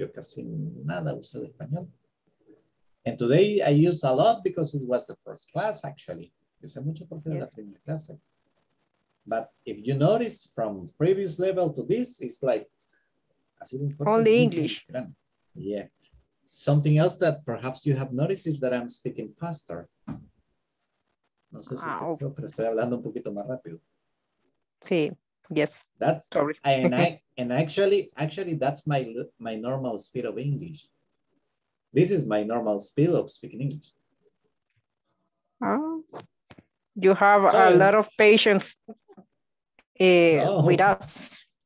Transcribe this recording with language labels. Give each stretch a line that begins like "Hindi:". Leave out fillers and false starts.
Spanish: Yo casi nada uso de español.
English: And today I use a lot because it was the first class, actually.
Spanish: Use mucho porque era la primera clase.
English: But if you notice from previous level to this, it's like only English. Yeah. Something else that perhaps you have noticed is that I'm speaking faster.
Spanish: No sé si se fijó, pero estoy hablando un poquito más rápido. Sí, yes.
English: That's sorry. And actually that's my normal speed of English. This is my normal speed of speaking English. You have a lot of patience with us.